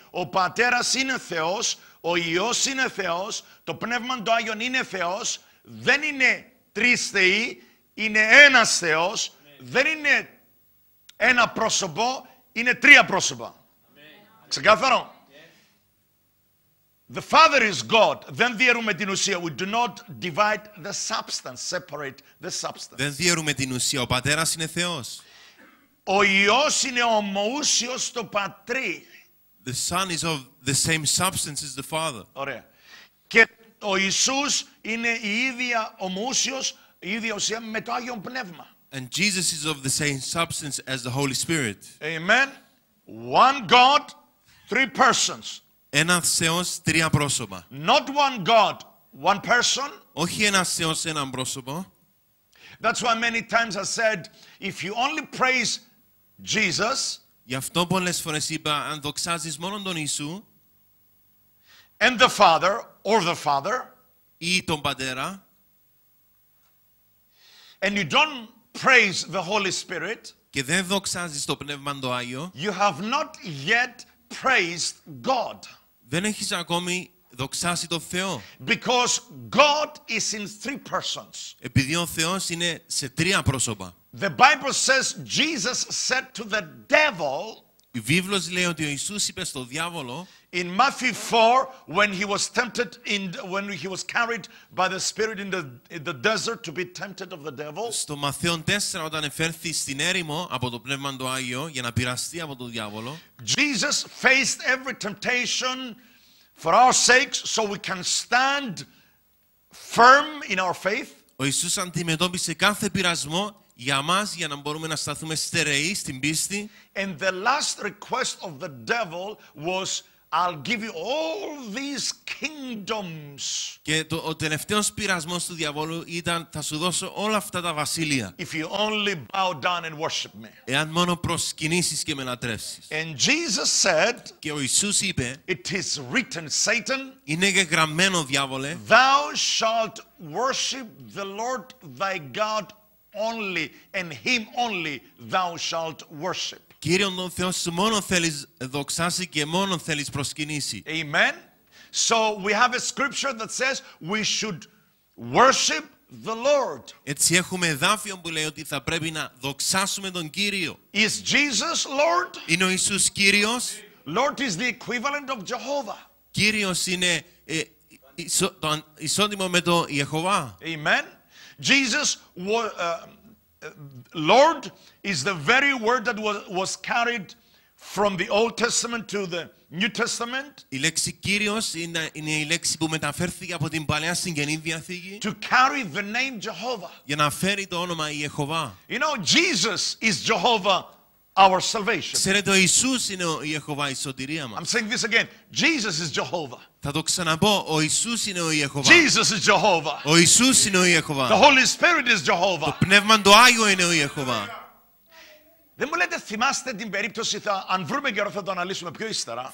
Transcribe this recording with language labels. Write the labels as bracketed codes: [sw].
[el] Ο Πατέρας είναι Θεός, ο Υιός είναι Θεός, το Πνεύμα το Άγιον είναι Θεός, δεν είναι τρεις Θεοί, είναι ένας Θεός, δεν είναι ένα πρόσωπο, είναι τρία πρόσωπα. Ξεκάθαρο. [en] The Father is God. [el] Δεν διαιρούμε την ουσία. [en] We do not divide the substance, separate the substance. [el] Δεν διαιρούμε την ουσία. Ο Πατέρας είναι Θεός. Ο Υιός είναι ομοούσιος το Πατρί. [en] The Son is of the same substance as the Father. [el] Ωραία. Και ο Ιησούς είναι η ίδια ομοούσιος, η ίδια ουσία με το Άγιο Πνεύμα. [en] And Jesus is of the same substance as the Holy Spirit. Amen. One God, three persons. [el] Ένας Θεός, τρία πρόσωπα. [en] Not one God, one person. [el] Όχι ένας Θεός, ένα πρόσωπο. [en] That's why many times I said, if you only praise Jesus. [el] Γι' αυτό πολλές φορές είπα, αν δοξάζεις μόνο τον Ιησού. [en] And the Father, or the Father. [el] Ή τον Πατέρα. [en] And you don't praise the Holy Spirit. [el] Και δεν δοξάζεις το Πνεύμα το Άγιο. [en] You have not yet praised God. [el] Δεν έχεις ακόμη δοξάσει τον Θεό. [en] Because God is in three persons. [el] Επειδή ο Θεός είναι σε τρία πρόσωπα. [en] The Bible says Jesus said to the devil. [el] Η Βίβλος λέει ότι ο Ιησούς είπε στο διάβολο. [en] In Matthew 4, when he was tempted, when he was carried by the Spirit in the desert to be tempted of the devil. [el] Στο Ματθαίον 4, όταν εφέρθη στην έρημο από το Πνεύμα το Άγιο για να πειραστεί από τον διάβολο. [en] Jesus faced every temptation for our sakes, so we can stand firm in our faith. [el] Ο Ιησούς αντιμετώπισε κάθε πειρασμό για μας, για να μπορούμε να σταθούμε στερεοί στην πίστη. [en] And the last request of the devil was I'll give you all these kingdoms. [el] Και το, ο τελευταίος πειρασμός του διαβόλου ήταν θα σου δώσω όλα αυτά τα βασίλεια. [en] If you only bow down and worship me. [el] Εάν μόνο προσκυνήσεις και με λατρεύσεις. [en] And Jesus said. [el] Και ο Ιησούς είπε. [en] It is written, Satan. [el] Είναι και γραμμένο διάβολε. [en] Thou shalt worship the Lord thy God only, and Him only thou shalt worship. [el] Κύριον τον Θεό σου μόνο θέλεις δοξάσει και μόνο θέλεις προσκυνήσει. [en] Amen. So we have a scripture that says we should worship the Lord. [el] Έτσι έχουμε εδάφιο που λέει ότι θα πρέπει να δοξάσουμε τον Κύριο. [en] Is Jesus Lord? [el] Είναι ο Ιησούς Κύριος. [en] Lord is the equivalent of Jehovah. [el] Κύριος είναι το ισότιμο με το Ιεχωβά. [en] Amen. Jesus was Lord is the very word that was carried from the Old Testament to the New Testament. [el] Η λέξη Κύριος είναι η λέξη που μεταφέρθηκε από την Παλαιά στην Καινή Διαθήκη. [en] To carry the name Jehovah. [el] Για να φέρει το όνομα Ιεχωβά. [en] You know, Jesus is Jehovah, our salvation. [el] Ξέρετε, ο Ιησούς είναι ο Ιεχωβά, η σωτηρία μας. [en] I'm saying this again. Jesus is Jehovah. [el] Θα το ξαναπώ, ο Ιησούς είναι ο Ιεχωβά. [en] Jesus is Jehovah. [el] Ο Ιησούς είναι ο Ιεχωβά. [en] The Holy Spirit is Jehovah. [el] Το Πνεύμα του Άγιου είναι ο Ιεχωβά. Δεν μου λέτε, θυμάστε την περίπτωση, αν βρούμε καιρό θα το αναλύσουμε πιο ύστερα.